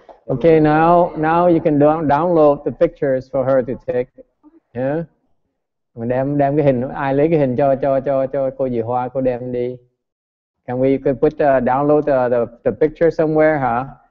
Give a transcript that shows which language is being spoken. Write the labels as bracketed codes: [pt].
[en] Okay, now you can download the pictures for her to take. Yeah. [vi] Mình đem cái hình, ai lấy cái hình cho cô dì Hoa, cô đem đi. [en] Can we could put download the picture somewhere, huh?